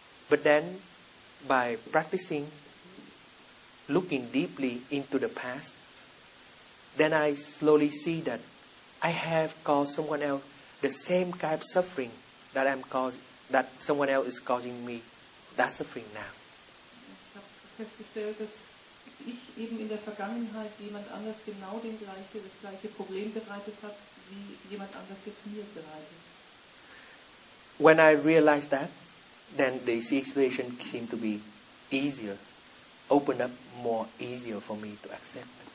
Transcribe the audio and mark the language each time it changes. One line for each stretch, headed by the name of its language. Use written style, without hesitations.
English: But then, by practicing, looking deeply into the past, then I slowly see that I have caused someone else the same kind of suffering that I'm caused, that someone else is causing me that suffering now.
German: Ich habe festgestellt, dass ich eben in der Vergangenheit jemand anders genau das gleiche Problem bereitet hat, wie jemand anders jetzt mir bereitet.
English: When I realized that, then the situation seemed to be easier, opened up more easier for me to accept.